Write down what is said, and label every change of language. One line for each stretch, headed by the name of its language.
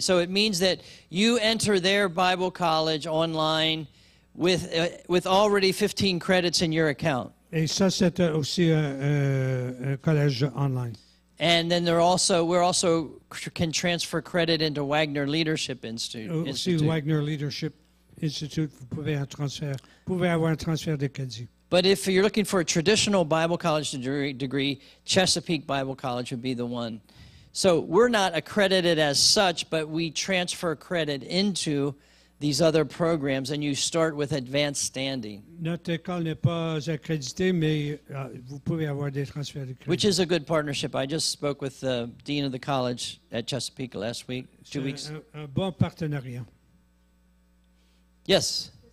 English: So it means that you enter their Bible college online with already 15 credits in your account.
French: Et ça, c'est aussi un collège online.
English: And then we also can transfer credit into Wagner Leadership Institute.
French: Aussi Wagner Leadership Institute, vous pouvez avoir un transfert de crédit.
English: But if you're looking for a traditional Bible college degree, Chesapeake Bible College would be the one. So we're not accredited as such, but we transfer credit into these other programs, and you start with advanced standing.
French: Notre école n'est pas accréditée, mais vous pouvez avoir des transferts de crédit.
English: Which is a good partnership. I just spoke with the dean of the college at Chesapeake last week, 2 weeks.
French: Un bon partenariat.
English: Yes.